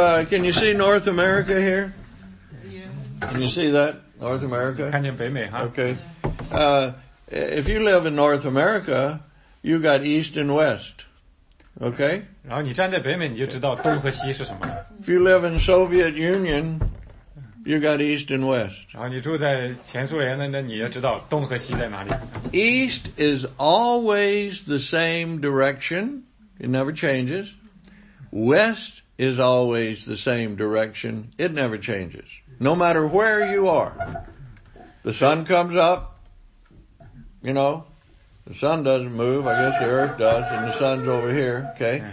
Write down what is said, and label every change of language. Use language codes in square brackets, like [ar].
[en] Can you see North America here? Can you see that? North America? Okay. If you live in North America, you got east and west. Okay? [zh] 然后你站在北美，你就知道东和西是什么。 [en] If you live in Soviet Union, you got east and west. [zh] 然后你住在前苏联，那你要知道东和西在哪里。 [en] East is always the same direction. It never changes. West is always the same direction. It never changes. No matter where you are. The sun comes up. You know, the sun doesn't move. I guess the earth does, and the sun's over here, okay?